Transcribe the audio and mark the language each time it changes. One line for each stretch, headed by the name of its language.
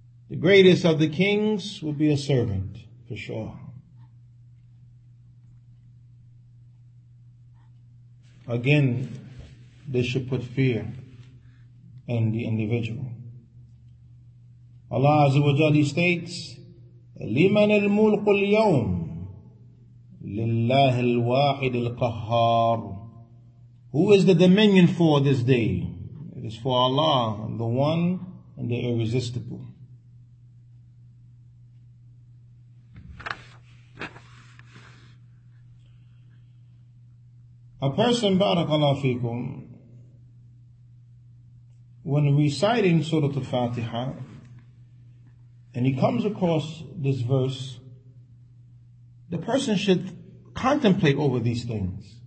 English: The greatest of the kings will be a servant, for sure. Again, this should put fear in the individual. Allah Azza wa Jalla states,
Arabic: لمن الملك اليوم لله الواحد القهار.
English: Who is the dominion for this day? It is for Allah, the one and the irresistible. A person, barakallahu fikum, when reciting Surah Al-Fatiha, and he comes across this verse, the person should contemplate over these things.